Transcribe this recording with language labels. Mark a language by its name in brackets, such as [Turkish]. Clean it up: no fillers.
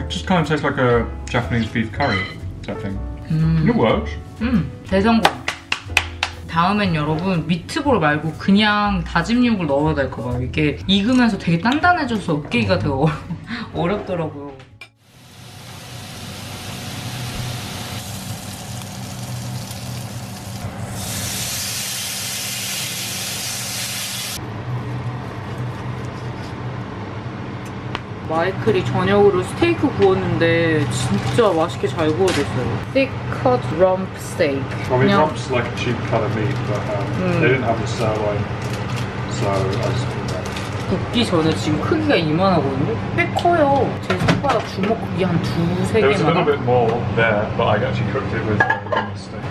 [English] It just kind of tastes like a Japanese beef curry type thing. It works. [Korean] 대성공. 다음엔 여러분 미트볼 말고 그냥 다짐육을 넣어야 될 거예요. 이게 익으면서 되게 단단해져서 으깨기가 되게 어렵더라고요. 마이클이 저녁으로 스테이크 구웠는데 진짜 맛있게 잘 구워졌어요. [English] Thick cut rump steak. I mean, rump's like a cheap cut of meat, but they didn't have the sirloin, so I just put that. [Korean] 굽기 전에 지금 크기가 이만하거든요? 꽤 커요. 제 손가락 주먹 크기 한 두세 개만. [English] There was a little bit more there, but I actually cooked it with steak.